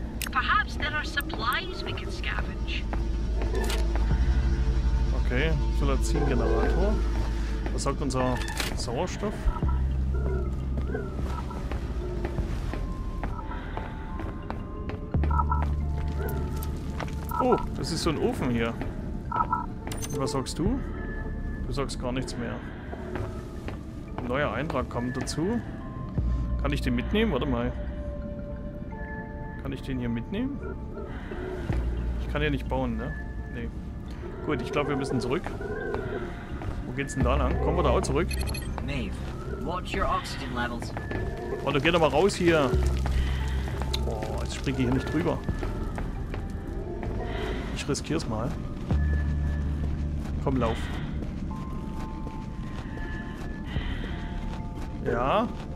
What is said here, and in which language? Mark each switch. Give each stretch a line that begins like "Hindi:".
English: Perhaps there are supplies we can scavenge.
German: Okay, Solazin-Generator. Was sagt unser Sauerstoff? Oh, das ist so ein Ofen hier. Was sagst du? Du sagst gar nichts mehr. Ein neuer Eintrag kommt dazu. Kann ich den mitnehmen? Warte mal. Kann ich den hier mitnehmen? Ich kann ja nicht bauen, ne? Nee. Gut, ich glaube, wir müssen zurück. Wo geht's denn da lang? Kommen wir da auch zurück?
English: Maeve, watch your oxygen levels.
German: Oh, du geh doch mal raus hier. Boah, jetzt springe ich hier nicht drüber. Ich riskier's mal. Komm, lauf. Ja.